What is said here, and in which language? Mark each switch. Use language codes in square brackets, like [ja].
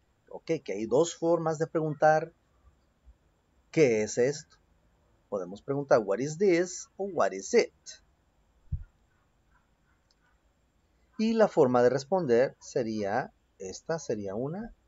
[es] Ok, que hay dos formas de preguntar ¿qué es esto? Podemos preguntar [en] what is this [es] o [en] what is it. [es] Y la forma de responder sería esta, sería una.